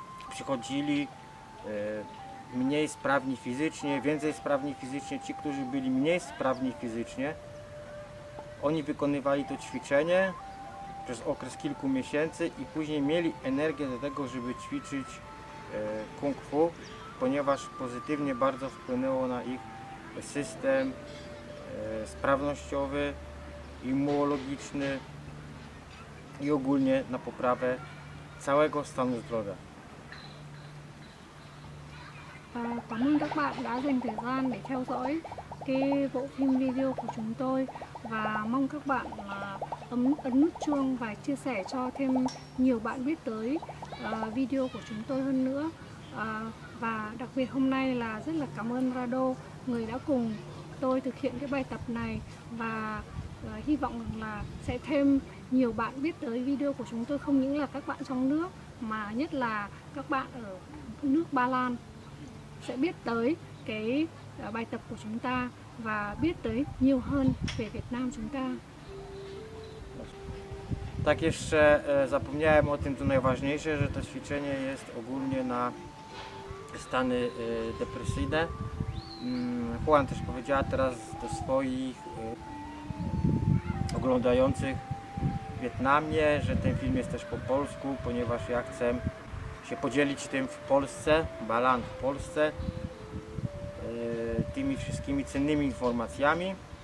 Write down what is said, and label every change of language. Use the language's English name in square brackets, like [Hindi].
[Polish] przychodzili mniej sprawni fizycznie, więcej sprawni fizycznie, ci, którzy byli mniej sprawni fizycznie, oni wykonywali to ćwiczenie przez okres kilku miesięcy i później mieli energię do tego, żeby ćwiczyć kung fu, ponieważ pozytywnie bardzo wpłynęło na ich system sprawnościowy, immunologiczny i ogólnie na poprawę całego stanu zdrowia. [Vietnamese] Cảm ơn các bạn đã dành thời gian để theo dõi cái bộ phim video của chúng tôi, và mong các bạn ấn nút chuông và chia sẻ cho thêm nhiều bạn biết tới video của chúng tôi hơn nữa. Và đặc biệt hôm nay là rất là cảm ơn Rado, người đã cùng tôi thực hiện cái bài tập này, và hy vọng là sẽ thêm nhiều bạn biết tới video của chúng tôi, không những là các bạn trong nước mà nhất là các bạn ở nước Ba Lan sẽ biết tới cái bài tập của chúng ta và biết tới nhiều hơn về Việt Nam chúng ta. [Polish] Tak jeszcze zapomniałem o tym, co najważniejsze, że to ćwiczenie jest ogólnie na stany depresyjne. Juan też powiedziała teraz do swoich oglądających w Wietnamie, że ten film jest też po polsku, ponieważ ja chcę się podzielić tym w Polsce, Ba Lan w Polsce, tymi wszystkimi cennymi informacjami.